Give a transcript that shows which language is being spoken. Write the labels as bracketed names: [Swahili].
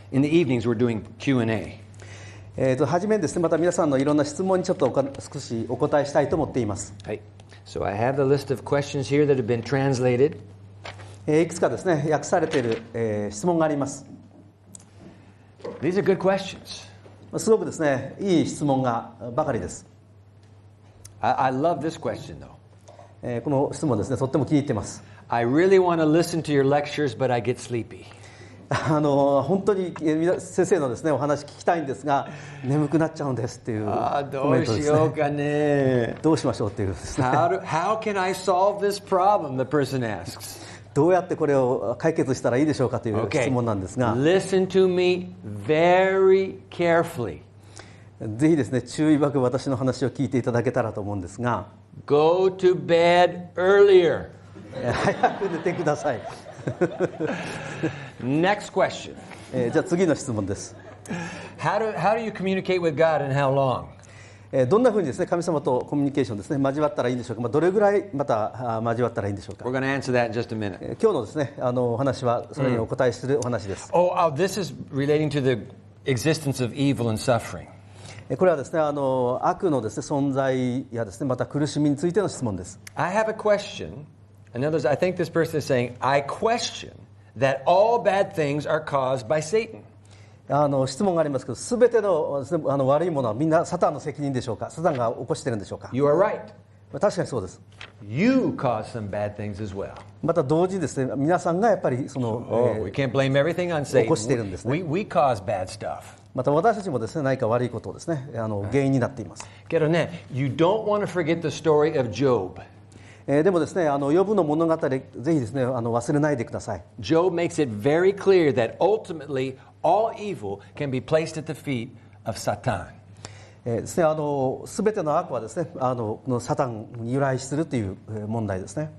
[English] In the evenings, we're doing Q&A. [Japanese] 初めにですね、また皆さんのいろんな質問にちょっと少しお答えしたいと思っています。はい。 [English] So I have the list of questions here that have been translated. [Japanese] いくつかですね、訳されている、質問があります。 [English] These are good questions. [Japanese] すごくですね、いい質問がばかりです。 [English] I love this question though. [Japanese] この質問ですね、とっても気に入っています。 [English] I really want to listen to your lectures, but I get sleepy. [Japanese] 本当に先生のですね、お話聞きたいんですが、眠くなっちゃうんですっていうコメントですね。どうしようかね。どうしましょうっていうですね。 [English] How can I solve this problem? The person asks. [Japanese] どうやってこれを解決したらいいでしょうかという質問なんですが。 [English] Okay. Listen to me very carefully. [Japanese] ぜひですね、注意深く私の話を聞いていただけたらと思うんですが。 [English] Go to bed earlier. [Japanese] 早く寝てください。 [English] Next question. [Japanese] じゃあ次の質問です。 [English] How do you communicate with God and how long? [Japanese] どんなふうにですね、神様とコミュニケーションですね、交わったらいいんでしょうか。まあ、どれぐらいまた交わったらいいんでしょうか。 [English] We're going to answer that in just a minute. [Japanese] 今日のですね、お話はそれにお答えするお話です。 [English] Oh, this is relating to the existence of evil and suffering. [Japanese] これはですね、悪のですね、存在やですね、また苦しみについての質問です。 [English] I have a question. In other words, I think this person is saying, I question that all bad things are caused by Satan. [Japanese] 質問がありますけど、すべてのですね、悪いものはみんなサタンの責任でしょうか、サタンが起こしているんでしょうか。 [English] You are right. [Japanese] 確かにそうです。 [English] You cause some bad things as well. [Japanese] また同時にですね、皆さんがやっぱりその、 [English] we can't blame everything on Satan. [Japanese] 起こしているんですね。 [English] We cause bad stuff. [Japanese] また私たちもですね、何か悪いことをですね、原因になっています。けどね、 [English] you don't want to forget the story of Job. [Japanese] でもですね、ヨブの物語、ぜひですね、忘れないでください。 [English] Job makes it very clear that ultimately all evil can be placed at the feet of Satan. [Japanese] ですね、全ての悪はですね、このサタンに由来するという問題ですね。